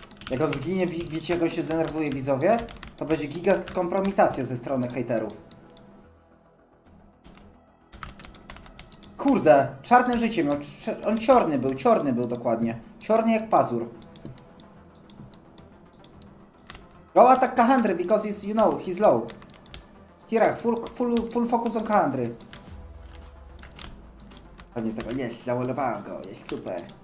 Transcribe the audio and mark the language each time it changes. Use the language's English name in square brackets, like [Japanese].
[Polish] Jak on zginie, wiecie, jak on się zdenerwuje, widzowie? To będzie giga kompromitacja ze strony hejterów. kurde, czarne życie miał. On ciorny był dokładnie. Ciorny jak pazur. [English] Go attack Kahandry, because he's, you know, he's low. Tirak, full focus on Kahandry. [Polish] Pewnie tego, jest, zawolowałem go, jest super.